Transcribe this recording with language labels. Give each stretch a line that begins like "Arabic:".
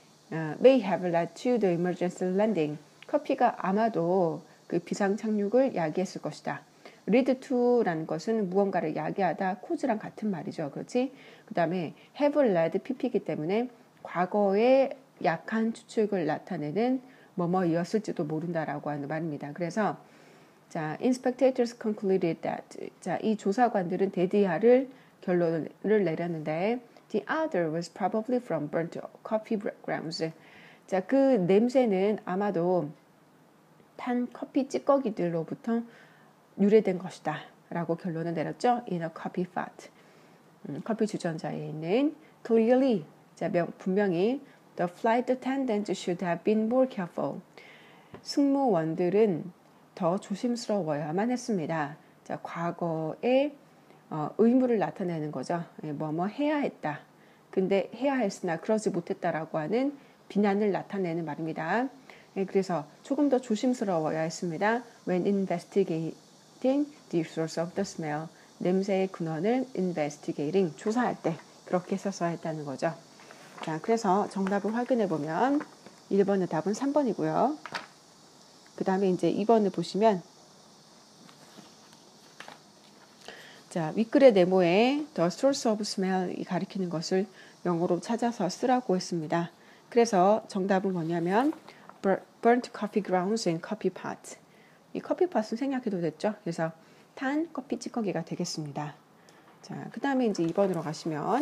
English: May have led to the emergency landing.
Korean: 커피가 아마도 그 비상 착륙을 야기했을 것이다. lead to라는 것은 무언가를 야기하다, cause랑 같은 말이죠. 그렇지? 그 다음에 have led pp이기 때문에 과거의 약한 추측을 나타내는 뭐뭐이었을지도 모른다라고 하는 말입니다.
English: 그래서 자, inspectors concluded that
Korean: 자, 이 조사관들은 데디아를 결론을 내렸는데
English: the odor was probably from burnt coffee grounds.
Korean: 자, 그 냄새는 아마도 탄 커피 찌꺼기들로부터 유래된 것이다 라고 결론을 내렸죠.
English: In a coffee pot.
Korean: 커피 주전자에 있는
English: clearly
Korean: 자, 분명히
English: the flight attendant should have been more careful.
Korean: 승무원들은 더 조심스러워야만 했습니다. 자, 과거의 의무를 나타내는 거죠. 뭐뭐 해야 했다. 근데 해야 했으나 그러지 못했다라고 하는 비난을 나타내는 말입니다. 예, 그래서 조금 더 조심스러워야 했습니다.
English: When investigating the source of the smell.
Korean: 냄새의 근원을 investigating, 조사할 때 그렇게 써야 했다는 거죠. 자, 그래서 정답을 확인해 보면 1번의 답은 3번이고요. 그 다음에 이제 2번을 보시면 자, 윗글의 네모에
English: the source of smell
Korean: 이 가리키는 것을 영어로 찾아서 쓰라고 했습니다. 그래서 정답은 뭐냐면
English: burnt coffee grounds and coffee pot.
Korean: 이 커피 팟은 생략해도 됐죠. 그래서 탄 커피 찌꺼기가 되겠습니다. 자, 그 다음에 이제 2번으로 가시면